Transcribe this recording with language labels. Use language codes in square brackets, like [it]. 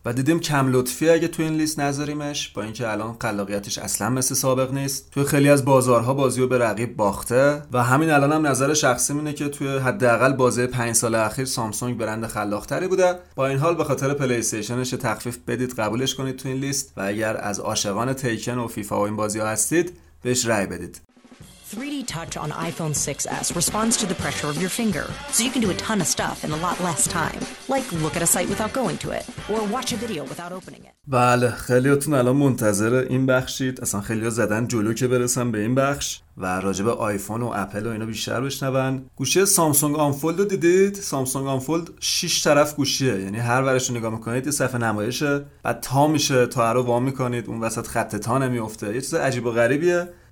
[fa] و دیدیم کم لطفی اگه تو این لیست نذاریمش، با اینکه الان خلاقیتش اصلا مثل سابق نیست، توی خیلی از بازارها بازیو به رقیب باخته و همین الان هم نظر شخصی مینه که توی حداقل بازه 5 سال اخیر سامسونگ برند خلاق‌تری بوده. با این حال به خاطر پلی استیشنش تخفیف بدید، قبولش کنید تو این لیست و اگر از عاشقان تیکن و فیفا و این بازی‌ها هستید بهش رأی بدید. [en] 3D touch on iPhone 6s responds to the pressure of your finger, so you can do a ton of stuff in a lot less time, like look at a site without going to it or watch a video without opening it. [fa] بله، خیلیاتون الان منتظر این بخشید، اصلا خیلیا زدن جلو که برسن به این بخش و راجب آیفون و اپل و اینا بیشتر بشنون. گوشی سامسونگ آنفولد رو دیدید؟ سامسونگ آنفولد 6 طرف گوشیه، یعنی هر ورش رو نگاه میکنید یه صفحه نمایشه، بعد تا میشه تا رو وا میکنید اون وسط خط تا نمیفته، یه چیز عجیب و غریبیه.